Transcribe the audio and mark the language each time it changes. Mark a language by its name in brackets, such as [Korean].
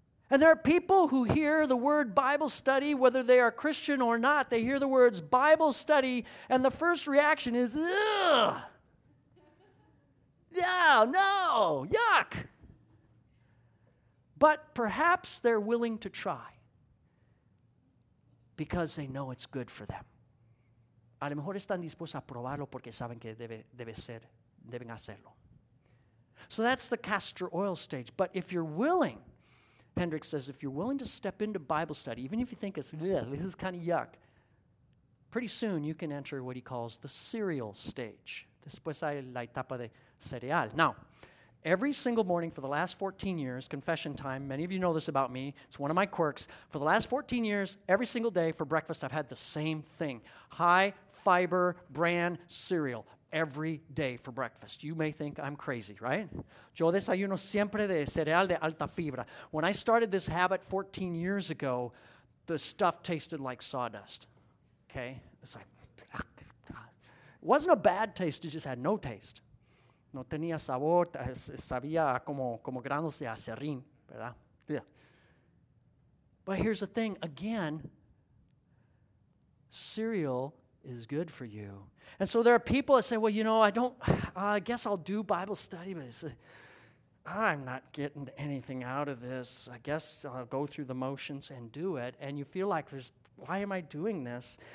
[English] And there are people who hear the word Bible study, whether they are Christian or not, they hear the words Bible study, and the first reaction is, ugh! Yeah, no! Yuck! But perhaps they're willing to try because they know it's good for them. [Spanish] A lo mejor están dispuestos a probarlo porque saben que deben hacerlo. [English] So that's the castor oil stage. But if you're willing, Hendricks says, if you're willing to step into Bible study, even if you think this is kind of yuck, pretty soon you can enter what he calls the cereal stage. [Spanish] Después hay la etapa de cereal. [English] Now, every single morning for the last 14 years, confession time, many of you know this about me, it's one of my quirks. For the last 14 years, every single day for breakfast, I've had the same thing. High fiber bran cereal. Every day for breakfast. You may think I'm crazy, right? [Spanish] Yo desayuno siempre de cereal de alta fibra. [English] When I started this habit 14 years ago, the stuff tasted like sawdust. Okay? It's like, it wasn't a bad taste, it just had no taste. [Spanish] No tenía sabor, sabía como granos de aserrín, ¿verdad? [English] Yeah. But here's the thing, again, cereal is good for you. And so there are people that say, well, you know, I guess I'll do Bible study, but I'm not getting anything out of this. I guess I'll go through the motions and do it. And you feel like, why am I doing this?